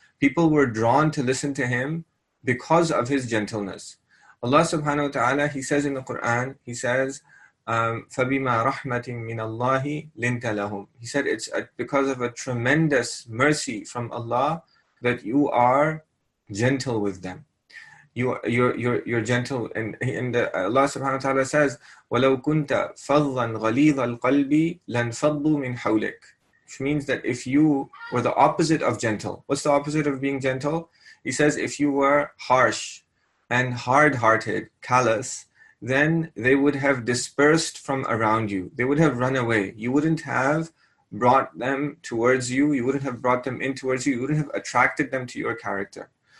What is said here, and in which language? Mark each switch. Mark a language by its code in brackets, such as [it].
[en] People were drawn to listen to him because of his gentleness. Allah subhanahu wa ta'ala, he says in the Quran, he says, [ar] فَبِمَا رَحْمَةٍ مِّنَ اللَّهِ لِنْتَ لَهُمْ. [en] He said it's because of a tremendous mercy from Allah that you are gentle with them. You're gentle. And Allah subhanahu wa ta'ala says, [ar] وَلَوْ كُنْتَ فَضًّا غَلِيظَ الْقَلْبِ لَنْفَضُّوا مِنْ حَوْلِكَ. [en] Which means that if you were the opposite of gentle, what's the opposite of being gentle? He says, if you were harsh and hard-hearted, callous, then they would have dispersed from around you. They would have run away. You wouldn't have brought them towards you. You wouldn't have brought them in towards you. You wouldn't have attracted them to your character.